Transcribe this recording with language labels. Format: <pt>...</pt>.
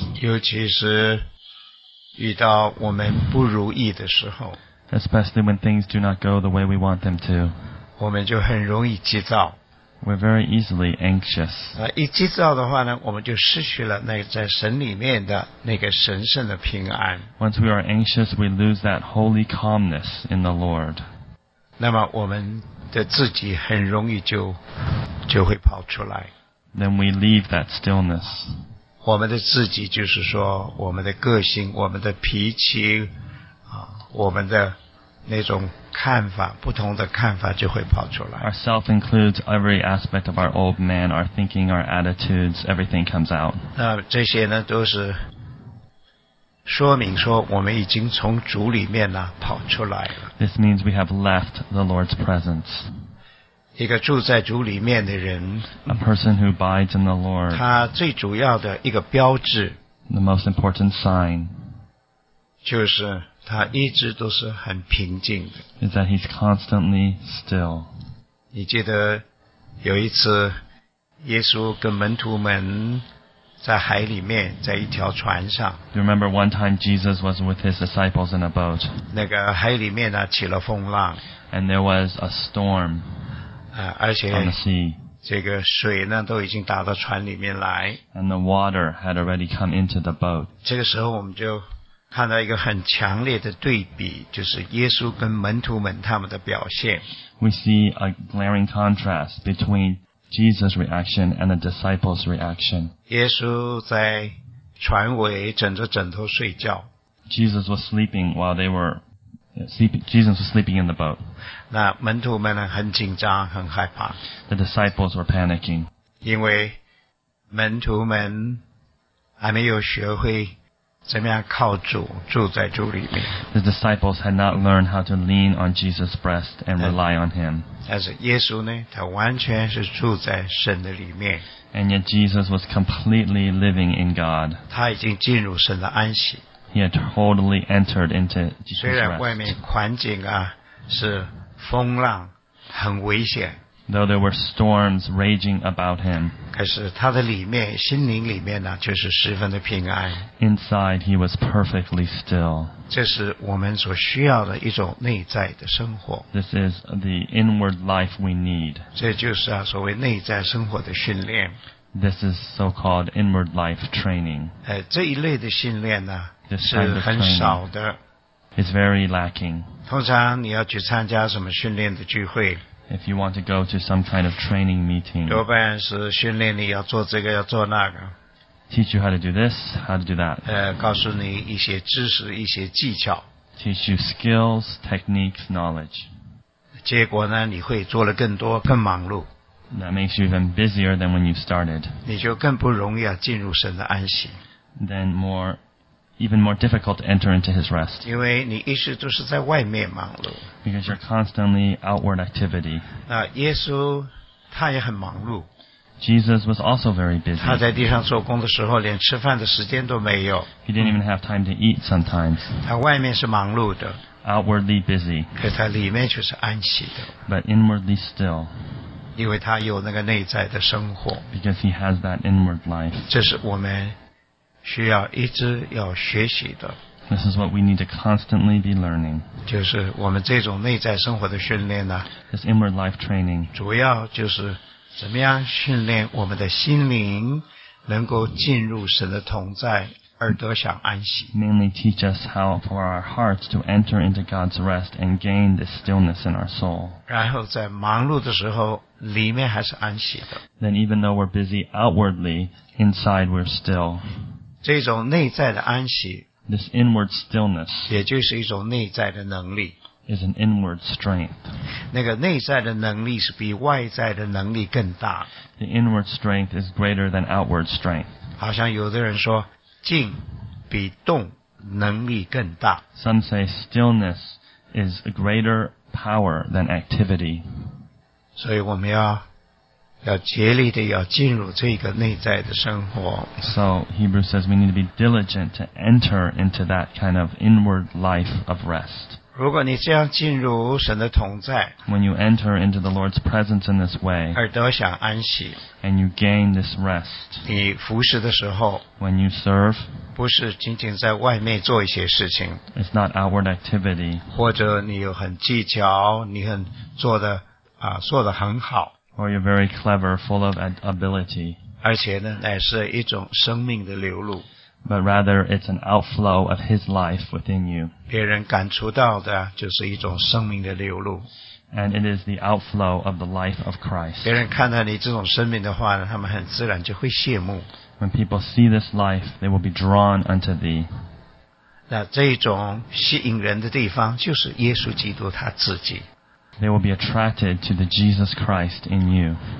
<zh>尤其是遇到我们不如意的时候。</zh> <en>Especially when things do not go the way we want them to.</en> <zh>我们就很容易急躁。</zh> <en>We're very easily anxious.</en> <zh>一急躁的话呢，我们就失去了那在神里面的那个神圣的平安。</zh> <en>Once we are anxious, we lose that holy calmness in the Lord.</en> <zh>那么我们的自己很容易就会跑出来。</zh> <en>Then we leave that stillness.</en> <zh>我们的自己就是说我们的个性我们的脾气我们的那种看法不同的看法就会跑出来。</zh> <en>Our self includes every aspect of our old man, our thinking, our attitudes, everything comes out.</en> <zh>那这些呢都是说明说我们已经从主里面呢跑出来了。</zh> <en>This means we have left the Lord's presence.</en> <zh>一个住在主里面的人</zh> <en>A person who abides in the Lord,</en> <zh>他最主要的一个标志</zh> <en>the most important sign,</en> <zh>就是他一直都是很平静的</zh> <en>is that he's constantly still.</en> <zh>你记得有一次耶稣跟门徒们在海里面在一条船上</zh> <en>Do you remember one time Jesus was with his disciples in a boat?</en> <zh>那个海里面呢起了风浪</zh> <en>And there was a storm.</en> <zh>而且这个水呢都已经打到船里面来</zh> <en>And the water had already come into the boat.</en> <zh>这个时候我们就看到一个很强烈的对比就是耶稣跟门徒们他们的表现</zh> <en>We see a glaring contrast between Jesus' reaction and the disciples' reaction.</en> <zh>耶稣在船尾枕着枕头睡觉</zh> <en>Jesus was sleeping while they wereJesus was sleeping in the boat.</en> <zh>那门徒们呢很紧张很害怕。</zh> <en>The disciples were panicking.</en> <zh>因为门徒们还没有学会怎么样靠主住在主里面。</zh> <en>The disciples had not learned how to lean on Jesus' breast and rely on him.</en> <zh>但是耶稣呢他完全是住在神的里面。</zh> <en>And yet Jesus was completely living in God.</en> <zh>他已经进入神的安息。</zh> <en>He had totally entered into Jesus' rest.</en> <zh>虽然外面环境啊是风浪很危险</zh> <en>Though there were storms raging about him.</en> <zh>可是他的里面心灵里面呢就是十分的平安</zh> <en>Inside he was perfectly still.</en> <zh>这是我们所需要的一种内在的生活</zh> <en>This is the inward life we need.</en> <zh>这就是啊所谓内在生活的训练</zh> <en>This is so-called inward life training.</en> <zh>这一类的训练呢是很少的</zh> <en>It's very lacking.</en> <zh>通常你要去参加什么训练的聚会</zh> <en>If you want to go to some kind of training meeting</en> <zh>多半是训练你要做这个要做那个</zh> <en>Teach you how to do this, how to do that</en> <zh>告诉你一些知识一些技巧</zh> <en>Teach you skills, techniques, knowledge</en> <zh>结果呢你会做了更多更忙碌</zh> <en>That makes you even busier than when you started</en> <zh>你就更不容易进入神的安息</zh> <en>Then more even more difficult to enter into his rest.</en> <zh>因为你一直都是在外面忙碌。</zh> <en>Because you're constantly outward activity.</en> <zh>那耶稣他也很忙碌。</zh> <en>Jesus was also very busy.</en> <zh>他在地上做工的时候连吃饭的时间都没有。</zh> <en>He didn't even have time to eat sometimes.</en> <zh>他外面是忙碌的。</zh> <en>Outwardly busy.</en> <zh>可他里面却是安息的。</zh> <en>But inwardly still.</en> <zh>因为他有那个内在的生活</zh> <en>because he has that inward life.</en> <zh>这是我们需要一直要学习的</zh> <en>This is what we need to constantly be learning.</en> <zh>就是我们这种内在生活的训练呢</zh> <en>This inward life training.</en> <zh>主要就是怎么样训练我们的心灵能够进入神的同在而得享安息</zh> <en>Mainly teach us how for our hearts to enter into God's rest and gain the stillness in our soul.</en> <zh>然后在忙碌的时候里面还是安息的。</zh> <en>Then even though we're busy outwardly, inside we're still.</en> <zh>这种内在的安息</zh> <en>This inward stillness</en> <zh>也就是一种内在的能力</zh> <en>is an inward strength.</en> <zh>那个内在的能力是比外在的能力更大。</zh> <en>The inward strength is greater than outward strength.</en> <zh>好像有的人说静比动能力更大。</zh> <en>Some say stillness is a greater power than activity.</en> <zh>所以我们要竭力的要进入这个内在的生活。</zh> <en>So, Hebrews says we need to be diligent to enter into that kind of inward life of rest.</en> <zh>如果你这样进入神的同在</zh> <en>When you enter into the Lord's presence in this way,</en> <zh>而得享安息</zh> <en>and you gain this rest,</en> <zh>你服侍的时候</zh> <en>when you serve,</en> <zh>不是仅仅在外面做一些事情</zh> <en>it's not outward activity,</en> <zh>或者你有很技巧你很做的做得很好</zh> <en>or you're very clever, full of ability.</en> <zh>而且呢，乃是一种生命的流露。</zh> <en>But rather, it's an outflow of His life within you.</en> <zh>别人感触到的就是一种生命的流露。</zh> <en>And it is the outflow of the life of Christ.</en> <zh>别人看到你这种生命的话呢，他们很自然就会羡慕。</zh> <en>When people see this life, they will be drawn unto thee.</en> <zh>那这种吸引人的地方就是耶稣基督他自己。</zh> <en>They will be attracted to the Jesus Christ in you.</en>